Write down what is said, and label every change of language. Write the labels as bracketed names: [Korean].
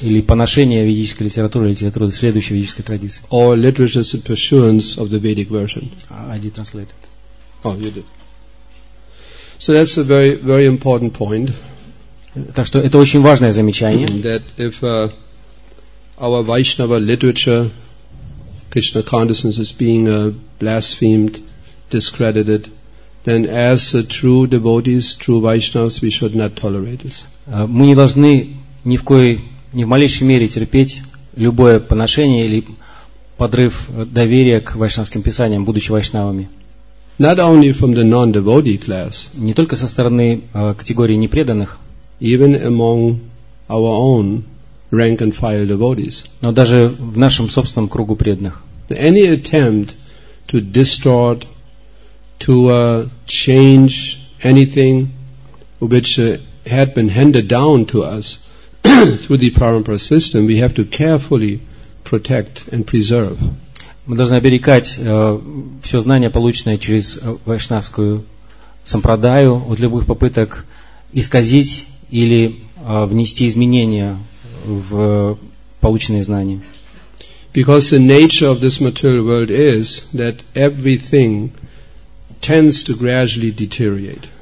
[Russian] Или поношение ведической литературы, литературы следующей ведической традиции. [English] Or literatures in pursuance of the Vedic version. I did translate it. Oh, you did. So that's a very, very important point. [Russian] Так что это очень важное замечание. [English] That if our Vaishnava literature, Krishna consciousness is being blasphemed, discredited, then as true devotees, true Vaishnavas, we should not tolerate this. [Russian] Мы не должны ни в малейшей мере терпеть любое поношение или подрыв доверия к вайшнавским писаниям, будучи вайшнавами. [English] Not only from the non-devotee class. [Russian] Не только со стороны категории непреданных. [English] Even among our own rank and file devotees. [Russian] Но даже в нашем собственном кругу преданных. [English] Any attempt to distort, to change anything which had been handed down to us through the parampara system, we have to carefully protect and preserve. [Russian] Мы должны оберегать все знание, полученное через вайшнавскую сампрадаю, от любых попыток исказить или внести изменения в полученные знания. [English] Because the nature of this material world is that everything tends to gradually deteriorate.